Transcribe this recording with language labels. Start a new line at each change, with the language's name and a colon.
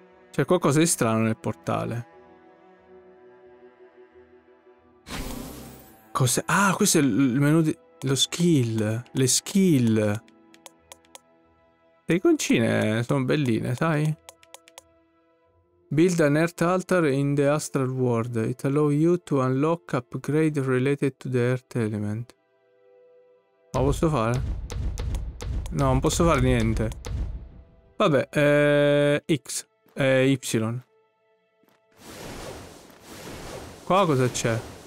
Italian: C'è qualcosa di strano nel portale. Cos'è? Ah, questo è il menu di... Lo skill, le skill. Le iconcine sono belline, sai?
English: Build an Earth Altar in the Astral World. It allows you to unlock upgrade related to the Earth Element.
Italian: Ma posso fare? No, non posso fare niente. Vabbè, X. Y. Qua cosa c'è?